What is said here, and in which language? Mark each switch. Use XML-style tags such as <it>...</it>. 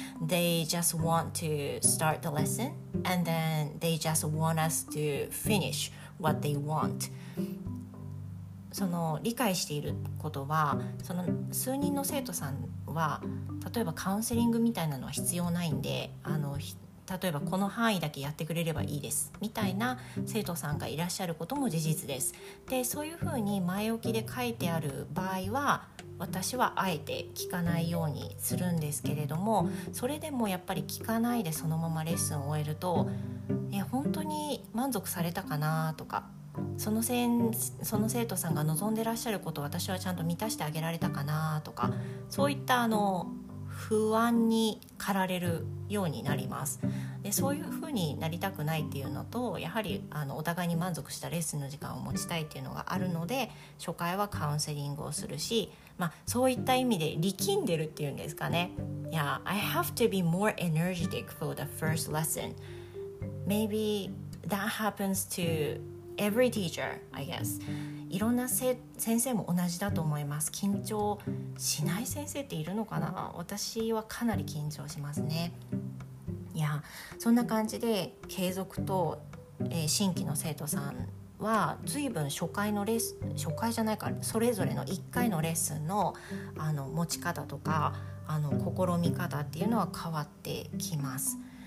<en>They just want to start the lesson and then they just want us to finish what they want.</en> <ja>その理解していることは、その数人の生徒さんは例えばカウンセリングみたいなのは必要ないんで、例えばこの範囲だけやってくれればいいですみたいな生徒さんがいらっしゃることも事実です。で、そういうふうに前置きで書いてある場合は私はあえて聞かないようにするんですけれども、それでもやっぱり聞かないでそのままレッスンを終えると、いや本当に満足されたかなとか、その生徒さんが望んでらっしゃることを私はちゃんと満たしてあげられたかなとか、そういった不安に駆られるようになります。で、そういう風になりたくないっていうのと、やはりお互いに満足したレッスンの時間を持ちたいっていうのがあるので、初回はカウンセリングをするし、まあ、そういった意味で力んでるっていうんですかね。</ja> <en>Yeah, I have to be more energetic for the first lesson. Maybe that happens to every teacher, I guess.</en> <ja>いろんな先生も同じだと思います。緊張しない先生っているのかな。私はかなり緊張しますね。いや、そんな感じで継続と、新規の生徒さんは随分初回のレッスン、初回じゃないか、それぞれの1回のレッスン の, 持ち方とか試み方っていうのは変わってきます。</ja>